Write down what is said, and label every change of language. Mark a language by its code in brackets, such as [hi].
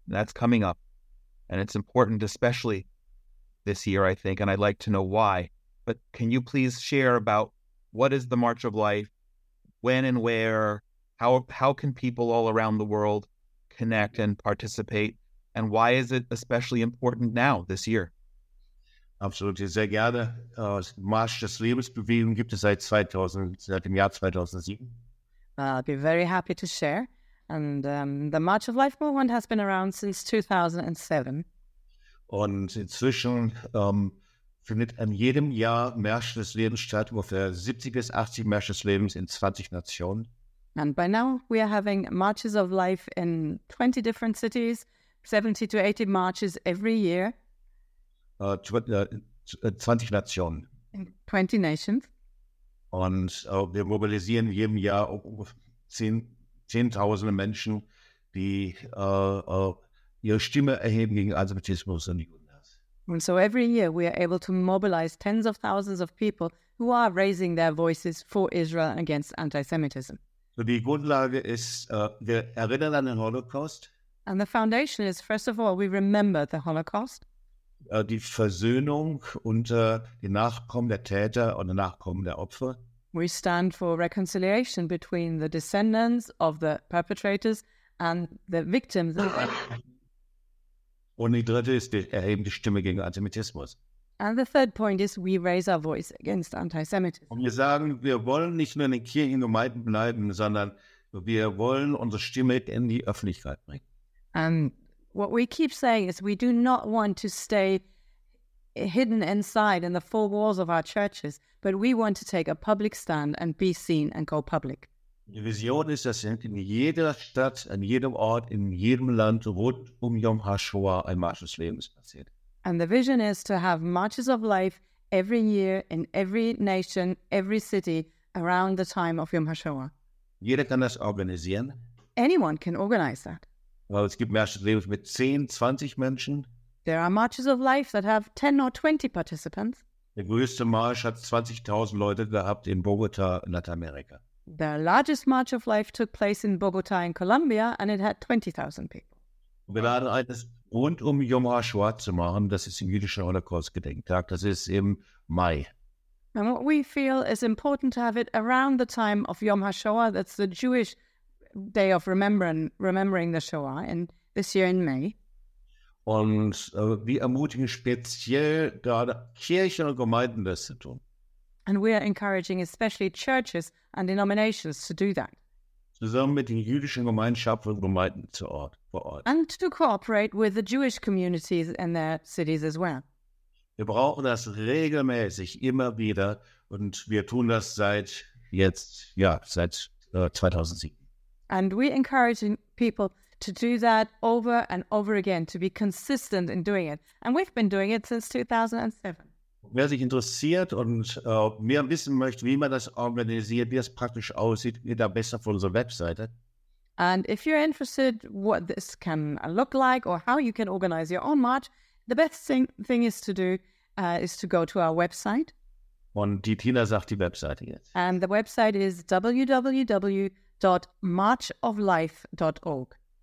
[en] That's coming up, and it's important, especially this year, I think, and I'd like to know why. But can you please share about what is the March of Life, when and where, how can people all around the world connect and participate, and why is it especially important now, this year? [de] Absolut, sehr gerne. March des Lebensbewegung gibt es seit dem Jahr 2007. [en] I'll be very happy to share. And the March of Life movement has been around since 2007. [de] Und inzwischen findet an jedem Jahr Märsch des Lebens statt, ungefähr 70 bis 80 Märsche des Lebens in 20 Nationen. [en] And by now we are having Marches of Life in 20 different cities, 70 to 80 marches every year. [de] 20 Nationen. [en] 20 nations. [de] Und wir mobilisieren jedem Jahr Zehntausende Menschen, die ihre Stimme erheben gegen Antisemitismus und Judenhass. [en] And so every year we are able to mobilize tens of thousands of people who are raising their voices for Israel against antisemitism. [de] So die Grundlage ist, wir erinnern an den Holocaust. [en] And the foundation is, first of all, we remember the Holocaust. [de] Die Versöhnung unter den Nachkommen der Täter und den Nachkommen der Opfer. [en] We stand for reconciliation between the descendants of the perpetrators and the victims. [de] Und die dritte ist, wir erheben die Stimme gegen Antisemitismus. [en] And the third point is, we raise our voice against antisemitism. [de] Und wir sagen, wir wollen nicht nur in den Kirchengemeinden bleiben, sondern wir wollen unsere Stimme in die Öffentlichkeit bringen. [en] And what we keep saying is, we do not want to stay hidden inside in the four walls of our churches, but we want to take a public stand and be seen and go public. [de] Die Vision ist, dass in jeder Stadt, an jedem Ort, in jedem Land rund Yom HaShoah ein Marsch des Lebens passiert. [en] And the vision is to have marches of life every year in every nation, every city around the time of Yom HaShoah. [de] Jeder kann das organisieren. [en] Anyone can organize that. [de] Well, es gibt Märsche des Lebens mit 10, 20 Menschen. [en] There are marches of life that have 10 or 20 participants. [de] Der größte Marsch hat 20.000 Leute gehabt in Bogota, Lateinamerika. [en] The largest march of life took place in Bogota in Colombia and it had 20.000 people. [de] Wir laden ein, das rund um Yom HaShoah zu machen. Das ist ein jüdischer Holocaust-Gedenktag. Das ist im Mai. [en] And what we feel is important to have it around the time of Yom HaShoah. That's the Jewish day of remembering the Shoah, and this year in May. [de] Und wir ermutigen speziell gerade Kirchen und Gemeinden, das zu tun. [en] And we are encouraging especially churches and denominations to do that. [de] Zusammen mit den jüdischen Gemeinschaften und Gemeinden vor Ort. [en] And to cooperate with the Jewish communities in their cities as well. [de] Wir brauchen das regelmäßig, immer wieder. Und wir tun das seit 2007. [en] And we encourage people to do that over and over again, to be consistent in doing it. And we've been doing it since 2007. [de] Wer sich interessiert und mehr wissen möchte, wie man das organisiert, wie das praktisch aussieht, geht da besser auf unsere Webseite. [en] And if you're interested what this can look like or how you can organize your own march, the best thing is to do is to go to our website. [de] Und die Tina sagt die Webseite jetzt. [en] And the website is www.marchoflife.org.